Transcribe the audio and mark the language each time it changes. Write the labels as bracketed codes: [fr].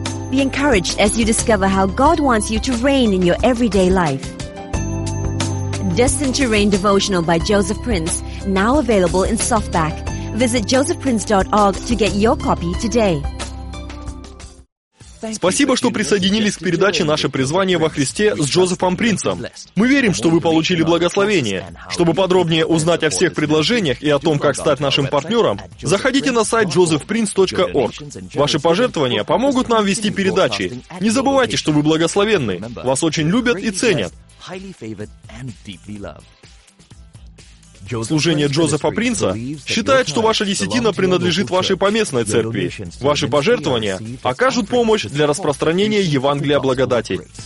[en] Be encouraged as you discover how God wants you to reign in your everyday life. Destined to Reign Devotional by Joseph Prince, now available in softback. Visit josephprince.org to get your copy today. [ru] Спасибо, что присоединились к передаче «Наше призвание во Христе» с Джозефом Принцем. Мы верим, что вы получили благословение. Чтобы подробнее узнать о всех предложениях и о том, как стать нашим партнером, заходите на сайт josephprince.org. Ваши пожертвования помогут нам вести передачи. Не забывайте, что вы благословенны. Вас очень любят и ценят. [en] Highly favored and deeply loved. [ru] Служение Джозефа Принца считает, что ваша десятина принадлежит вашей поместной церкви. Ваши пожертвования окажут помощь для распространения Евангелия благодати.